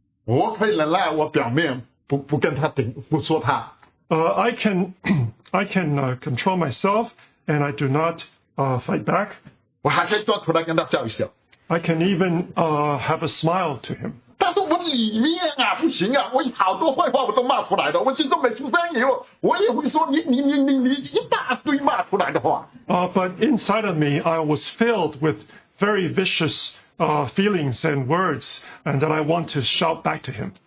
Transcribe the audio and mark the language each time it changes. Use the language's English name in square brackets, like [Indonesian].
[Chinese] 我可以忍耐，我表面不跟他顶，不说他。 [English] I can control myself and I do not fight back. [Chinese] 我还可以做出来跟他笑一笑。 [English] I can even have a smile to him. [Chinese] 但是我里面啊不行啊，我好多坏话我都骂出来的，我心中没出声音，我也会说你一大堆骂出来的话。 [English] But inside of me, I was filled with very vicious. Feelings and words, and that I want to shout back to him.